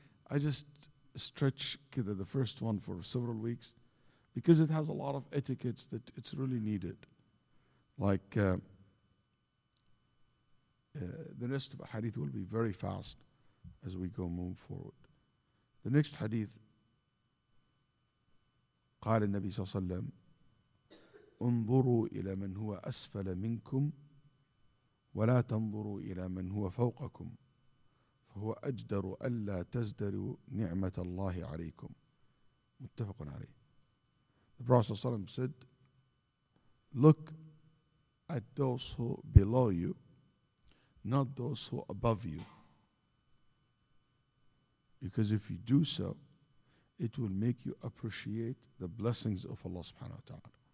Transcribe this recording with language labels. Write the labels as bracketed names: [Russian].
[English] I just stretch the first one for several weeks because it has a lot of etiquettes that it's really needed. Like, the rest of the hadith will be very fast as we go move forward. The next hadith [Arabic] قال النبي صلى الله عليه وسلم انظروا إلى من هو أسفل منكم ولا تنظروا إلى من هو فوقكم فهو أجدر ألا تزدروا نعمة الله عليكم. متفق عليه. [English] The Prophet [Arabic] صلى الله عليه وسلم [English] said, look at those who are below you, not those who are above you. Because if you do so, it will make you appreciate the blessings of Allah subhanahu wa ta'ala.